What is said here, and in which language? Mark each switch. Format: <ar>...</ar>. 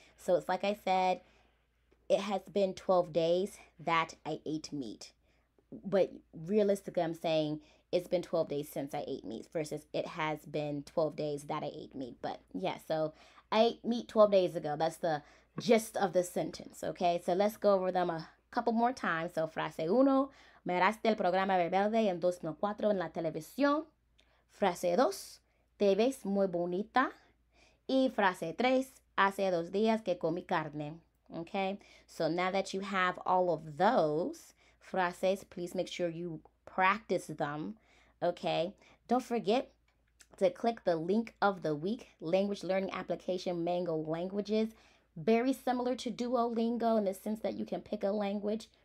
<en>So it's like I said, it has been 12 days that I ate meat. But realistically, I'm saying it's been 12 days since I ate meat versus it has been 12 days that I ate meat. But yeah, so I ate meat 12 days ago. That's the gist of the sentence, okay? So let's go over them a couple more times.</en> <es>So frase uno, miraste el programa Verde en 2004 en la televisión. Frase dos, te ves muy bonita. Y frase tres, hace 2 días que comí carne, okay?</es> <en>So now that you have all of those frases, please make sure you practice them, okay? Don't forget to click the link of the week, language learning application Mango Languages. Very similar to Duolingo in the sense that you can pick a language.</en>